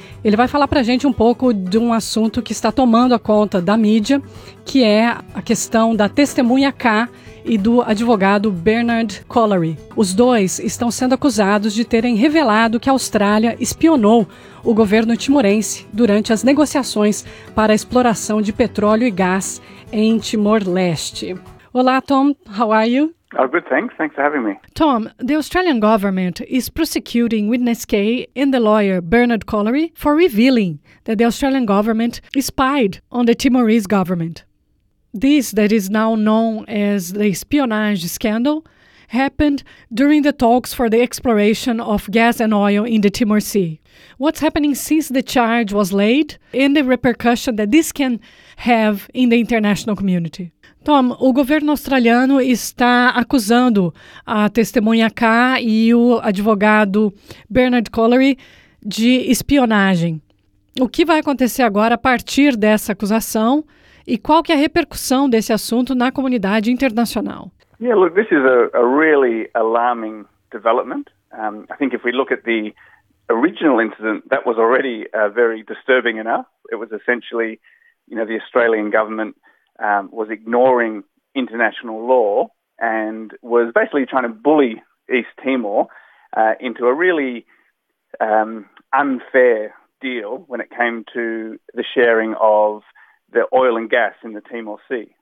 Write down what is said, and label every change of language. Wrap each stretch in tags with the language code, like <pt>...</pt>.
<pt>Ele vai falar para a gente um pouco de um assunto que está tomando a conta da mídia, que é a questão da testemunha K e do advogado Bernard Collery. Os dois estão sendo acusados de terem revelado que a Austrália espionou o governo timorense durante as negociações para a exploração de petróleo e gás em Timor-Leste. Olá,</pt> <en>Tom. How are you? Oh, good, thanks. Thanks for having me. Tom, the Australian government is prosecuting Witness K and the lawyer Bernard Collery for revealing that the Australian government spied on the Timorese government. This, that is now known as the espionage scandal, happened during the talks for the exploration of gas and oil in the Timor Sea. What's happening since the charge was laid and the repercussion that this can have in the international community?</en> <pt>Tom, o governo australiano está acusando a testemunha K e o advogado Bernard Collery de espionagem. O que vai acontecer agora a partir dessa acusação e qual que é a repercussão desse assunto na comunidade internacional?</pt> <en>Yeah, look, this is a really alarming development. I think if we look at the original incident, that was already very disturbing enough. It was essentially, you know, the Australian government was ignoring international law and was basically trying to bully East Timor into a really unfair deal when it came to the sharing of the oil and gas in the Timor Sea.</en>